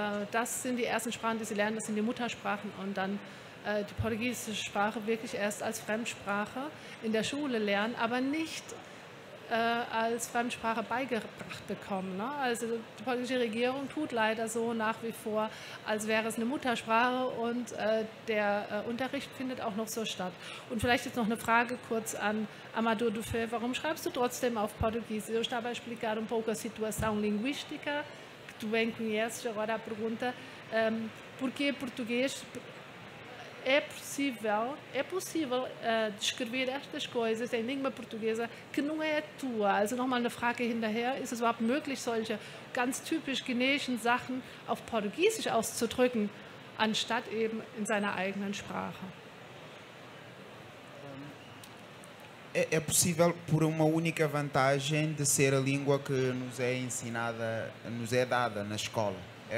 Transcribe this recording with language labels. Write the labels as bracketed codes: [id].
[de] Das sind die ersten Sprachen, die sie lernen, das sind die Muttersprachen. Und dann die portugiesische Sprache wirklich erst als Fremdsprache in der Schule lernen, aber nicht als Fremdsprache beigebracht bekommen. Ne? Also die polnische Regierung tut leider so nach wie vor, als wäre es eine Muttersprache und der Unterricht findet auch noch so statt. Und vielleicht jetzt noch eine Frage kurz an Amadou Dafé. Warum schreibst du trotzdem auf Portugiesisch? [pt] Eu estava a explicar um pouco a situação linguística que tu bem conheces, agora a pergunta, por que português? É possível descrever estas coisas em língua portuguesa que não é tua? [de] Also nochmal eine Frage hinterher, ist es überhaupt möglich, solche ganz typisch guineischen Sachen auf Portugiesisch auszudrücken, anstatt eben in seiner eigenen Sprache? [pt] É possível por uma única vantagem de ser a língua que nos é ensinada, nos é dada na escola.